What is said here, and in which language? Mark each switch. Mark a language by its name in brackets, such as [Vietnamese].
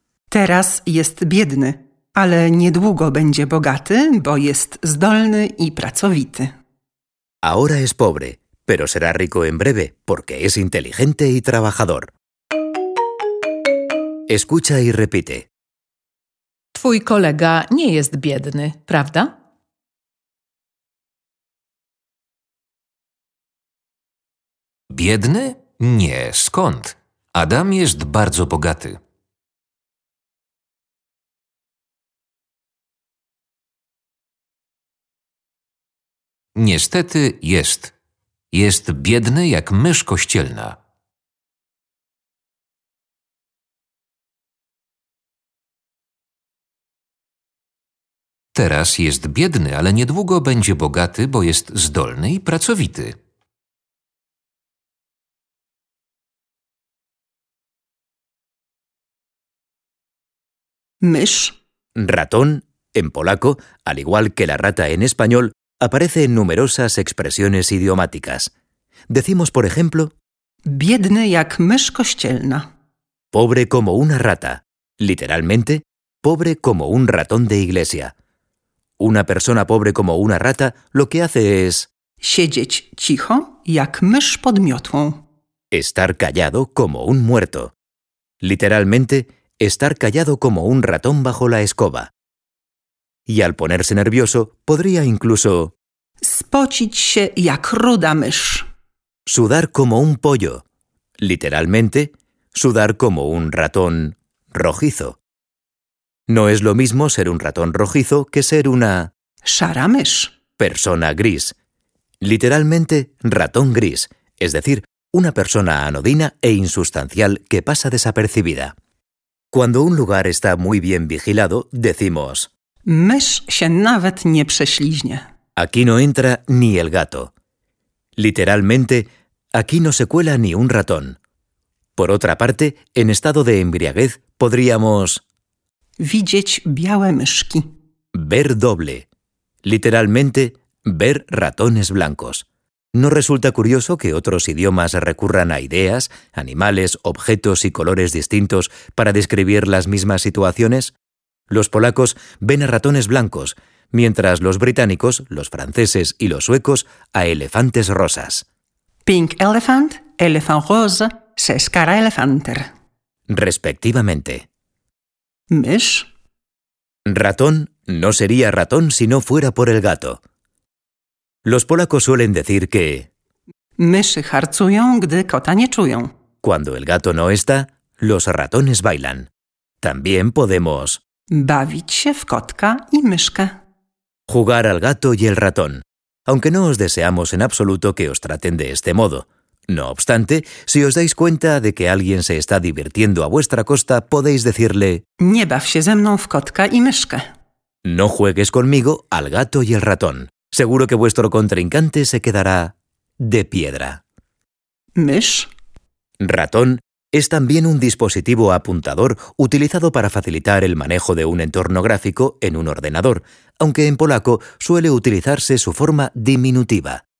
[Polish] Teraz jest biedny. Ale niedługo będzie bogaty, bo jest zdolny i pracowity. [Spanish] Ahora es pobre, pero será rico en breve, porque es inteligente y trabajador. Escucha y repite. [Polish] Twój kolega nie jest biedny, prawda? Biedny? Nie, skąd? Adam jest bardzo bogaty. Niestety jest. Jest biedny jak mysz kościelna. Teraz jest biedny, ale niedługo będzie bogaty, bo jest zdolny i pracowity. Mysz. [Spanish] Ratón, en polaco, al igual que la rata en español, aparece en numerosas expresiones idiomáticas. Decimos, por ejemplo, [Polish] biedny jak mysz kościelna. [Spanish] Pobre como una rata. Literalmente, pobre como un ratón de iglesia. Una persona pobre como una rata lo que hace es... [Polish] siedzieć cicho jak mysz pod miotłą. [Spanish] Estar callado como un muerto. Literalmente, estar callado como un ratón bajo la escoba. Y al ponerse nervioso, podría incluso... [Polish] spocić się jak ruda mysz. [Spanish] Sudar como un pollo. Literalmente, sudar como un ratón rojizo. No es lo mismo ser un ratón rojizo que ser una... [Polish] szara mysz. [Spanish] Persona gris. Literalmente, ratón gris. Es decir, una persona anodina e insustancial que pasa desapercibida. Cuando un lugar está muy bien vigilado, decimos... [Polish] mysz się nawet nie prześliźnie. [Spanish] Aquí no entra ni el gato. Literalmente, aquí no se cuela ni un ratón. Por otra parte, en estado de embriaguez podríamos... [Polish] widzieć białe myszki. [Spanish] Ver doble. Literalmente, ver ratones blancos. ¿No resulta curioso que otros idiomas recurran a ideas, animales, objetos y colores distintos para describir las mismas situaciones? Los polacos ven a ratones blancos, mientras los británicos, los franceses y los suecos a elefantes rosas. [English] Pink elephant, [French] elephant rose, [Swedish] seskara elefanter. [Spanish] Respectivamente. [Polish] ¿Mysz? [Spanish] Ratón no sería ratón si no fuera por el gato. Los polacos suelen decir que... [Polish] myszy harcują, gdy kota nie czują. [Spanish] Cuando el gato no está, los ratones bailan. También podemos... [Polish] bawić się w kotka i myszkę. [Spanish] Jugar al gato y el ratón. Aunque no os deseamos en absoluto que os traten de este modo. No obstante, si os dais cuenta de que alguien se está divirtiendo a vuestra costa, podéis decirle... [Polish] nie baw się ze mną w kotka i myszkę. [Spanish] No juegues conmigo al gato y el ratón. Seguro que vuestro contrincante se quedará de piedra. [Polish] ¿Mysz? [Spanish] Ratón es también un dispositivo apuntador utilizado para facilitar el manejo de un entorno gráfico en un ordenador, aunque en polaco suele utilizarse su forma diminutiva.